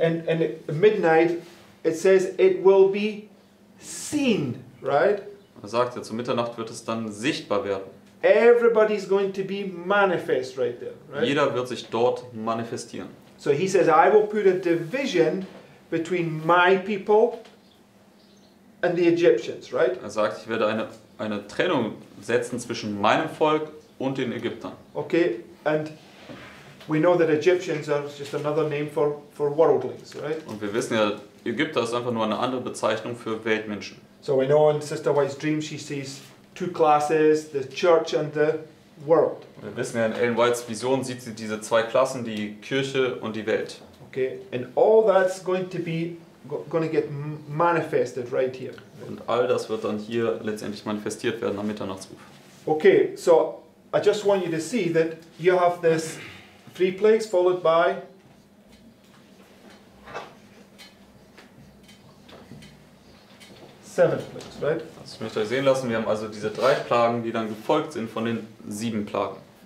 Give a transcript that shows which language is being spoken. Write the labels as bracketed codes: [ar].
[en] And at midnight, it says it will be seen, right? [de] Er sagt ja, zu Mitternacht wird es dann sichtbar werden. [en] Everybody's going to be manifest right there, right? [de] Jeder wird sich dort manifestieren. [en] So he says, I will put a division between my people and the Egyptians, right? [de] Er sagt, ich werde eine Trennung setzen zwischen meinem Volk und den Ägyptern. [en] Okay, and we know that Egyptians are just another name for worldlings, right? [de] Und wir wissen ja, Ägypter ist einfach nur eine andere Bezeichnung für Weltmenschen. [en] So we know in Sister White's dream she sees two classes, the church and the world. [de] Wir wissen ja, in Ellen Whites Vision sieht sie diese zwei Klassen, die Kirche und die Welt. [en] Okay, and all that's going to be going to get manifested right here. [de] Und all das wird dann hier letztendlich manifestiert werden am Mitternachtsruf. [en] Okay, so I just want you to see that you have this three plagues followed by seven plagues, right? [de] Das möchte ich euch sehen lassen. Wir haben also diese drei Plagen, die dann gefolgt sind von den sieben Plagen.